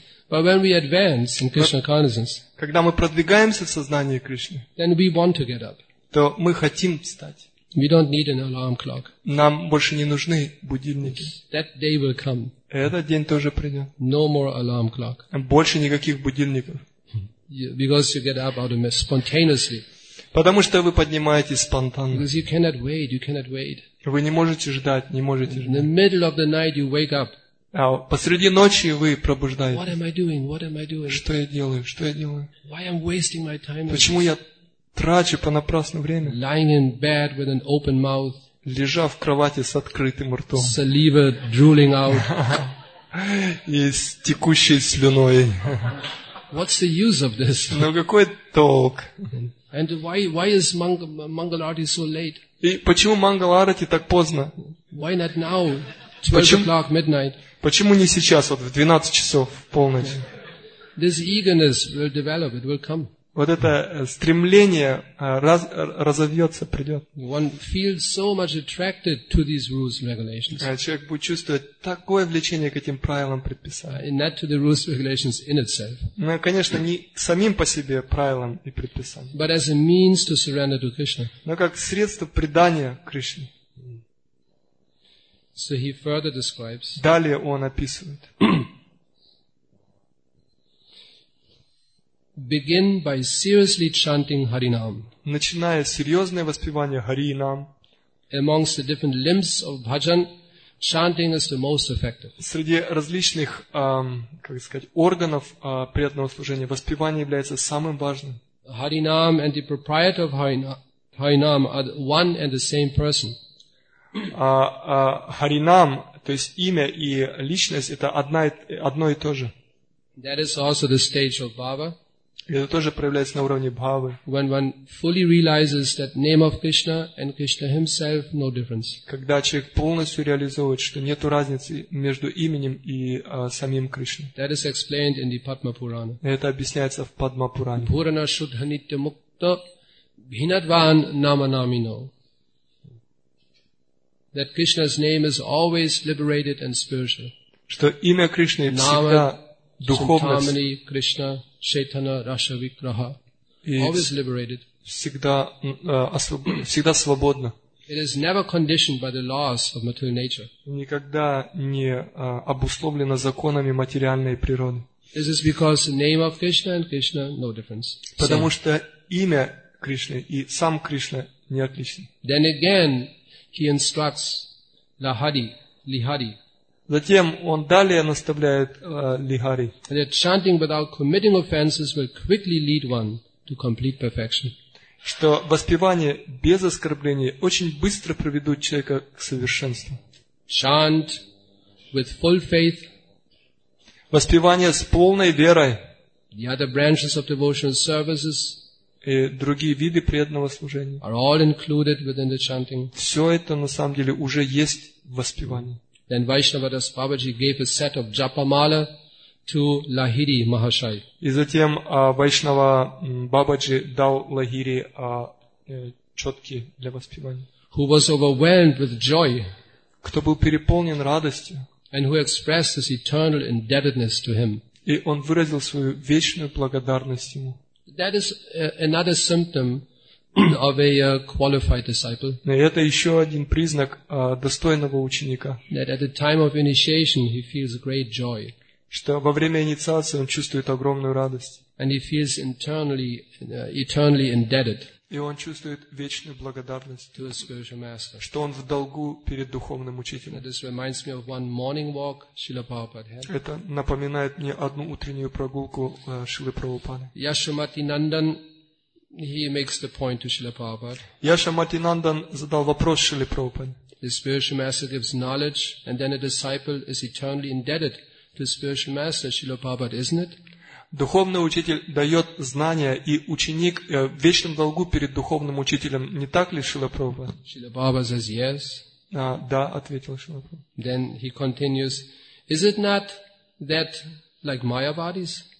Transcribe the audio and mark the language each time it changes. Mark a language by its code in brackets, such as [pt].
[en] But when we advance in Krishna consciousness, [ru] когда мы продвигаемся в сознании Кришны, [en] then we want to get up. [ru] То мы хотим встать. [en] We don't need an alarm clock. [ru] Нам больше не нужны будильники. [en] That day will come. [ru] Этот день тоже придет. [en] No more alarm clock. [ru] Больше никаких будильников. [en] Because you get up out of it spontaneously. [ru] Потому что вы поднимаетесь спонтанно. [en] Because you cannot wait, you cannot wait. [ru] Вы не можете ждать, не можете ждать. [en] In the middle of the night you wake up. [ru] А посреди ночи вы пробуждаетесь. [en] What am I doing? What am I doing? [ru] Что я делаю? Что я делаю? [en] Why am I wasting my time? [ru] Почему я трачу понапрасну время? [en] Lying in bed with an open mouth. [ru] Лежа в кровати с открытым ртом. [en] Saliva drooling out. [ru] И с текущей слюной. [en] What's the use of this? [ru] Ну какой толк? [en] And why is Mangal Arati so late? [ru] И почему Мангал Арати так поздно? [en] Why not now? 12 o'clock midnight. [ru] Почему не сейчас, вот в 12 часов в полночь? [en] This eagerness will develop. It will come. [ru] Вот это стремление разовьется, придет. [en] One feels so much attracted to these rules and regulations. [ru] Человек будет чувствовать такое влечение к этим правилам, предписаниям. [en] And not to the rules and regulations in itself. [ru] Ну, конечно, не самим по себе правилам и предписаниям. [en] But as a means to surrender to Krishna. [ru] Но как средство предания Кришне. [en] So he further describes. [ru] Далее он описывает. [en] Begin by seriously chanting Harinam. [ru] Начиная серьезное воспевание Харинам. [en] Amongst the different limbs of bhajan, chanting is the most effective. [ru] Среди различных, как сказать, органов приятного служения воспевание является самым важным. [en] Harinam and the proprietor of Harinam are one and the same person. [ru] Харинам, то есть имя и личность, это одно и то же. [en] That is also the stage of Bhava. [ru] Это тоже проявляется на уровне бхавы. [en] When one fully realizes that name of Krishna and Krishna himself, no difference. [ru] Когда человек полностью реализует, что нет разницы между именем и самим Кришной. [en] That is explained in the Padma Purana. [ru] Это объясняется в Падма Пуране. [sa] Пурана шудха нитья мукта бхинадван нама намино. [en] That Krishna's name is always liberated and spiritual. [ru] Что имя Кришны всегда духовность. [en] Krishna. [sa] Шейтана Раша Викраха. [en] Always liberated. [ru] Всегда свободно. [en] It is never conditioned by the laws of material nature. [ru] Никогда не обусловлено законами материальной природы. [en] This is because the name of Krishna and Krishna, no difference. [ru] Потому что имя Кришны и сам Кришна не отличны. [en] Then again, he instructs Lahari, Lihari. [ru] Затем он далее наставляет Лихари. [en] That chanting without committing offenses will quickly lead one to complete perfection. [ru] Что воспевание без оскорблений очень быстро приведут человека к совершенству. [en] Chant with full faith. [ru] Воспевание с полной верой. [en] The other branches of devotional services. [ru] И другие виды преданного служения. [en] Are all included within the chanting. [ru] Все это на самом деле уже есть в воспевании. [en] Then Vaishnava Das Babaji gave a set of Japamala to Lahiri Mahashay. [ru] И затем Вайшнава Бабаджи дал Лахири четки для воспевания. [en] Who was overwhelmed with joy? [ru] Кто был переполнен радостью? [en] And who expressed his eternal indebtedness to him? [ru] И он выразил свою вечную благодарность ему. [en] That is another symptom of a qualified disciple. [ru] Это еще один признак достойного ученика. [en] That at the time of initiation he feels great joy. [ru] Что во время инициации он чувствует огромную радость. [en] And he feels internally, eternally indebted. [ru] И он чувствует вечную благодарность. [en] To a spiritual master. [ru] Что он в долгу перед духовным учителем. [en] This reminds me of one morning walk Srila Prabhupada had. [ru] Это напоминает мне одну утреннюю прогулку Шрилы Прабхупады. [en] Яшамати Нандан. He makes the point to Srila Prabhupada. [ru] Яшамати Нандан задал вопрос Шриле Прабхупаде. [en] The spiritual master gives knowledge, and then a disciple is eternally indebted to the spiritual master, Srila Prabhupada, isn't it? [ru] Духовный учитель дает знания, и ученик в вечном долгу перед духовным учителем, не так ли, Шрила Прабхупада? [en] Srila Prabhupada says yes. [ru] Да, ответил Шрила Прабхупада. [en] Then he continues, is it not that like Mayavadis?